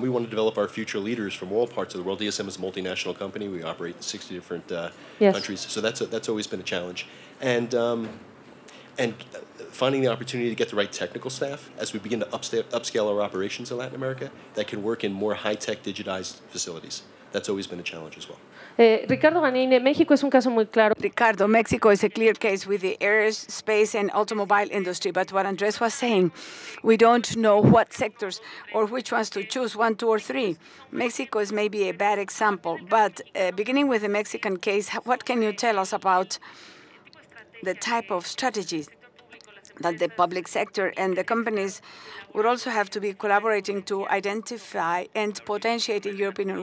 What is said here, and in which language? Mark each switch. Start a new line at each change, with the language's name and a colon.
English: We want to develop our future leaders from all parts of the world. DSM is a multinational company. We operate in 60 different countries, so that's always been a challenge. And finding the opportunity to get the right technical staff as we begin to upscale our operations in Latin America that can work in more high-tech digitized facilities. that's always been a challenge as well.
Spanish: Ricardo Haneine, México es un caso muy claro.
English: Ricardo, Mexico is a clear case with the aerospace and automobile industry. But what Andres was saying, we don't know what sectors or which ones to choose, one, two, or three. Mexico is maybe a bad example. But beginning with the Mexican case, what can you tell us about the type of strategies that the public sector and the companies would also have to be collaborating to identify and potentiate, in your opinion?